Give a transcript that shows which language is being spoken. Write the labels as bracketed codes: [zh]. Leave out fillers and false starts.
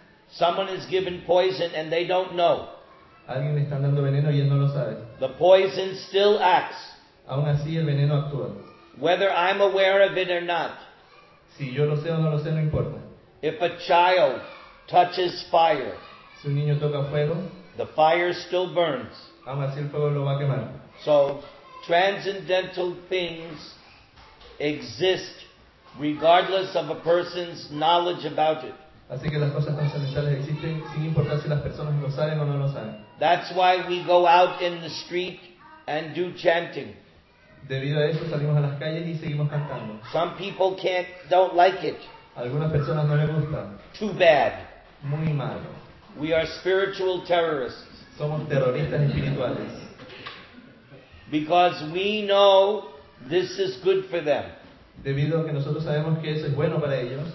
[en] Someone is given poison and they don't know. [es] Alguien le está dando veneno y él no lo sabe. [en] The poison still acts. [es] Aún así el veneno actúa. [en] Whether I'm aware of it or not. [es] Si yo lo sé o no lo sé, no importa. [en] If a child touches fire. [es] Si un niño toca fuego. [en] The fire still burns. [es] Aún así el fuego lo va a quemar. [en] So, transcendental things exist regardless of a person's knowledge about it. [es] Así que las cosas transcendentales existen sin importar si las personas lo saben o no lo saben. [en] That's why we go out in the street and do chanting. [es] Debido a eso salimos a las calles y seguimos cantando. [en] Some people don't like it. [es] Algunas personas no les gusta. [en] Too bad. [es] Muy malo. [en] We are spiritual terrorists. [es] Somos terroristas espirituales. [en] Because we know this is good for them. [es] Debido a que nosotros sabemos que eso es bueno para ellos.